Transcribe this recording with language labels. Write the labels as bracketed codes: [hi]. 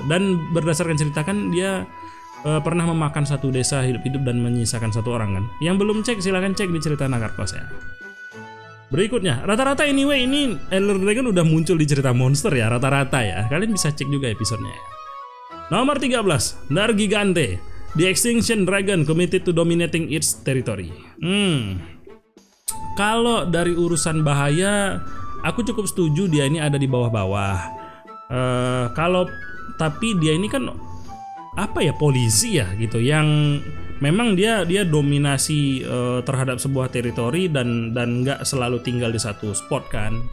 [id] Dan berdasarkan cerita kan dia pernah memakan satu desa hidup-hidup dan menyisakan satu orang kan. Yang belum cek silahkan cek di cerita Nakarkos ya. Berikutnya, rata-rata anyway ini Elder Dragon udah muncul di cerita monster ya, rata-rata ya. Kalian bisa cek juga episodenya. [en] Nomor 13, Nargigante, the Extinction Dragon committed to dominating its territory. [id] Kalau dari urusan bahaya, aku cukup setuju dia ini ada di bawah-bawah. Kalau tapi dia ini kan apa ya, polisi ya gitu, yang memang dia dominasi terhadap sebuah teritori dan nggak selalu tinggal di satu spot kan.